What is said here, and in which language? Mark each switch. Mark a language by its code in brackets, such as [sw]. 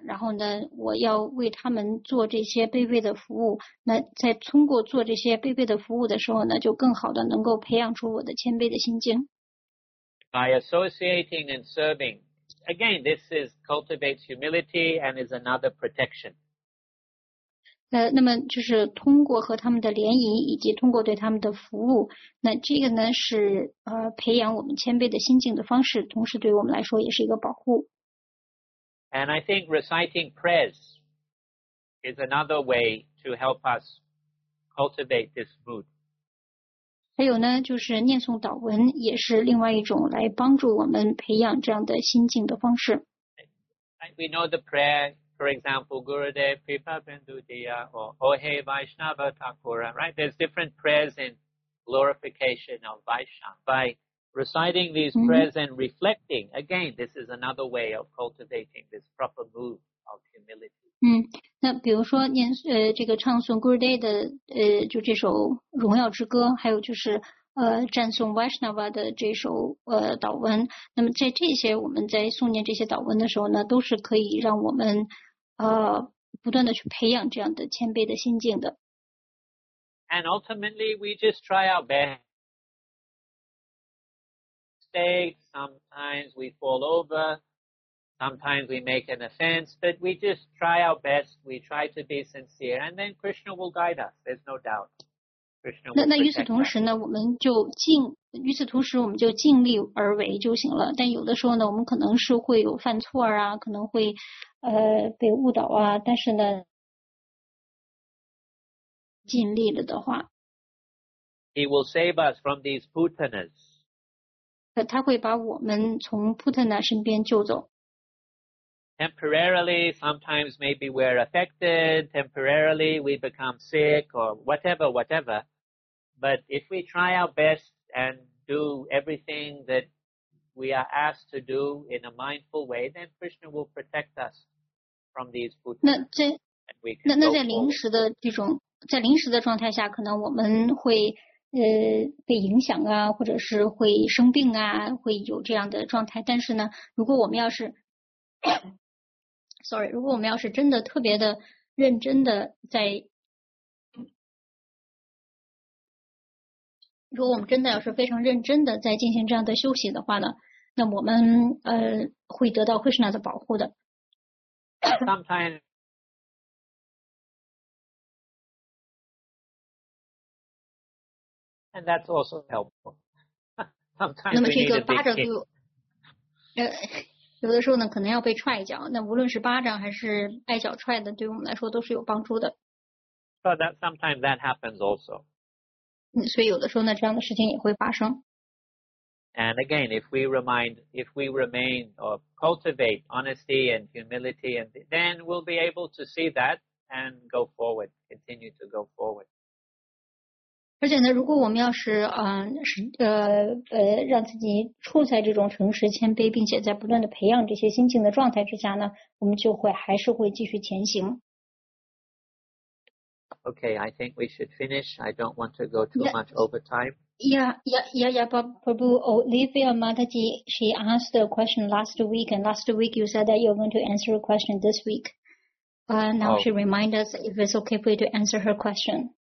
[zh] 然后呢，我要为他们做这些卑微的服务。那在通过做这些卑微的服务的时候呢，就更好的能够培养出我的谦卑的心境。 [en] By associating and serving, again, this is cultivates humility and is another protection. [zh] 那么就是通过和他们的联谊，以及通过对他们的服务，那这个呢是培养我们谦卑的心境的方式，同时对于我们来说也是一个保护。 [en] And I think reciting prayers is another way to help us cultivate this mood. [zh] 还有呢，就是念诵祷文也是另外一种来帮助我们培养这样的心境的方式。 [en] We know the prayer, for example, Gurudev Kripa Bindudiya or Ohe Vaishnava Thakura, right? There's different prayers in glorification of Vaishnava. Reciting these prayers and reflecting, again, this is another way of cultivating this proper mood of humility. [zh] 那比如说念这个唱诵 Gurudev 的就这首荣耀之歌，还有就是赞颂 Vaishnava 的这首祷文。那么在这些我们在诵念这些祷文的时候呢，都是可以让我们不断的去培养这样的谦卑的心境的。 [en] And ultimately, we just try our best. mistakes, sometimes we fall over, sometimes we make an offense, but we just try our best, we try to be sincere, and then Krishna will guide us, there's no doubt. [zh] 那与此同时呢，我们就尽与此同时我们就尽力而为就行了。但有的时候呢，我们可能是会有犯错啊，可能会被误导啊。但是呢，尽力了的话 [en] ，He will save us from these putanas. [zh] 他会把我们从 putana 身边救走。 [en] Temporarily, sometimes maybe we're affected. Temporarily, we become sick or whatever, whatever. But if we try our best and do everything that we are asked to do in a mindful way, then Krishna will protect us from these putanas. [zh] 那在临时的状态下，可能我们会被影响啊，或者是会生病啊，会有这样的状态。但是呢，如果我们要是 [en] Sorry, [zh] 如果我们要是真的特别的认真的在，如果我们真的要是非常认真的在进行这样的修行的话呢，那我们会得到 Krishna 的保护的。 [en] Sometimes and that's also helpful. Sometimes. [zh] 那么这个巴掌就。有的时候呢，可能要被踹一脚。那无论是巴掌还是挨脚踹的，对我们来说都是有帮助的。 [en] So that sometimes that happens also. [zh] 所以有的时候呢，这样的事情也会发生。 [en] And again, if we remain or cultivate honesty and humility, and then we'll be able to see that and go forward, continue to go forward. [zh] 而且呢，如果我们要是让自己处在这种诚实谦卑，并且在不断的培养这些心境的状态之下呢，我们就会还是会继续前行。 [en] Okay, I think we should finish. I don't want to go too much over time. Prabhu, Olivia Mataji, she asked a question last week, and last week you said that you're going to answer a question this week. Now she remind us if it's okay for you to answer her question.